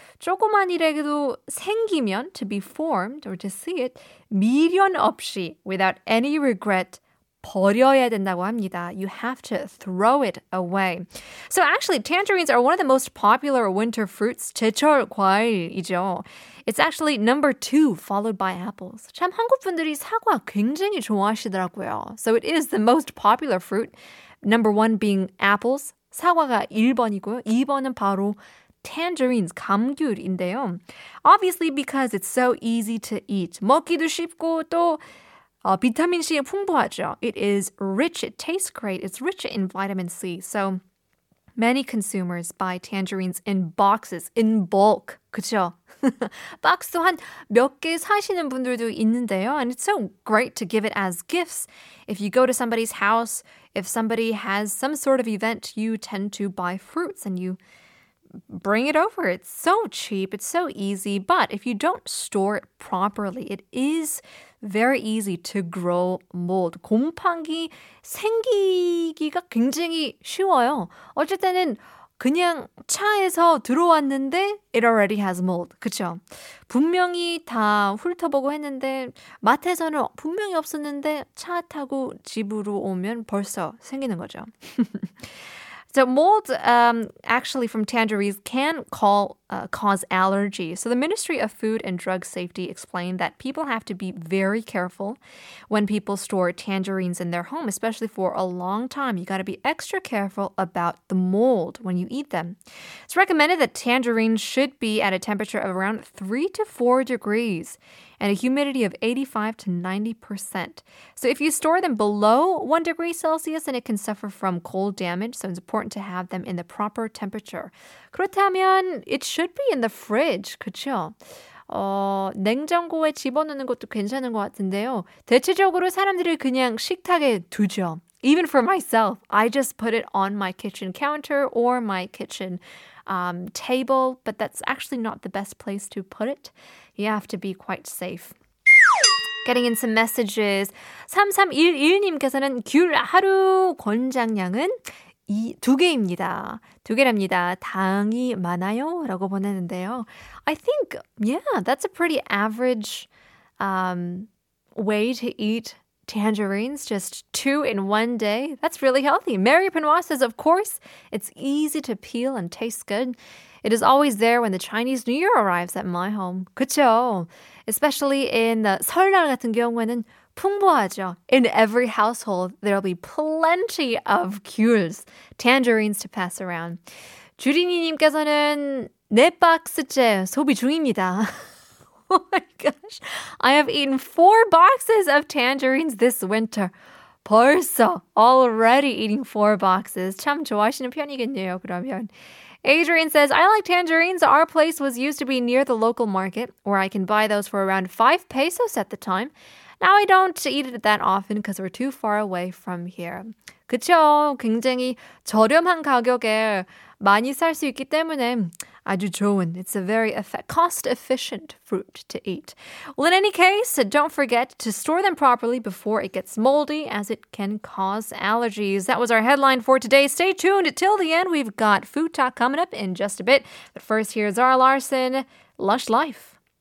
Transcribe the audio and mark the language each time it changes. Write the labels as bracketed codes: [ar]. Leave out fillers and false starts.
[ko] 조그만이라도 생기면 [en] to be formed or to see it, [ko] 미련 없이, [en] without any regret, [ko] 버려야 된다고 합니다. [en] You have to throw it away. So actually, tangerines are one of the most popular winter fruits. [ko] 제철 과일이죠. [en] It's actually number two, followed by apples. [ko] 참 한국 분들이 사과 굉장히 좋아하시더라고요. [en] So it is the most popular fruit. Number one being apples. [ko] 사과가 1번이고요. 2번은 바로 tangerines, 감귤인데요. [en] Obviously, because it's so easy to eat. [ko] 먹기도 쉽고 또 비타민 C에 풍부하죠. [en] It is rich. It tastes great. It's rich in vitamin C. So many consumers buy tangerines in boxes, in bulk. [ko] 그렇죠? 박스도 한 몇 개 사시는 분들도 있는데요. [en] And it's so great to give it as gifts. If you go to somebody's house, if somebody has some sort of event, you tend to buy fruits and you bring it over. It's so cheap. It's so easy. But if you don't store it properly, it is very easy to grow mold. [ko] 곰팡이 생기기가 굉장히 쉬워요. 어쨌든 그냥 차에서 들어왔는데 [en] it already has mold. [ko] 그쵸? 분명히 다 훑어보고 했는데 마트에서는 분명히 없었는데 차 타고 집으로 오면 벌써 생기는 거죠. [en] So mold, actually from tangerines, can cause allergies. So the Ministry of Food and Drug Safety explained that people have to be very careful when people store tangerines in their home, especially for a long time. You got to be extra careful about the mold when you eat them. It's recommended that tangerines should be at a temperature of around 3 to 4 degrees and a humidity of 85 to 90%. So if you store them below 1 degree Celsius, then it can suffer from cold damage. So it's important to have them in the proper temperature. [ko] 그렇다면 [en] it should be in the fridge, 그쵸? [ko] 냉장고에 집어넣는 것도 괜찮은 것 같은데요. 대체적으로 사람들이 그냥 식탁에 두죠. [en] Even for myself, I just put it on my kitchen counter or my kitchen table, but that's actually not the best place to put it. You have to be quite safe. Getting in some messages. [ko] 3311님께서는 귤 하루 권장량은 2개입니다. 2개랍니다. 당이 많아요? 라고 보냈는데요. [en] I think, yeah, that's a pretty average way to eat tangerines just two in one day? That's really healthy. Mary Pinois says, of course, it's easy to peel and tastes good. It is always there when the Chinese New Year arrives at my home. [ko] 그쵸? [en] Especially in the [ko] 설날 같은 경우에는 풍부하죠. [en] In every household, there will be plenty of cures, tangerines to pass around. [ko] 주린이님께서는 네 박스째 소비 중입니다. [en] Oh my gosh, I have eaten 4 boxes of tangerines this winter. [ko] 벌써 [en] already eating 4 boxes. [ko] 참 좋아하시는 편이겠네요, 그러면. [en] Adrian says, I like tangerines. Our place was used to be near the local market, where I can buy those for around 5 pesos at the time. Now I don't eat it that often because we're too far away from here. [ko] 그쵸, 굉장히 저렴한 가격에 많이 살 수 있기 때문에 아주 좋은. [en] It's a very cost-efficient fruit to eat. Well, in any case, don't forget to store them properly before it gets moldy, as it can cause allergies. That was our headline for today. Stay tuned till the end. We've got Food Talk coming up in just a bit. But first, here's Zara Larsson, Lush Life.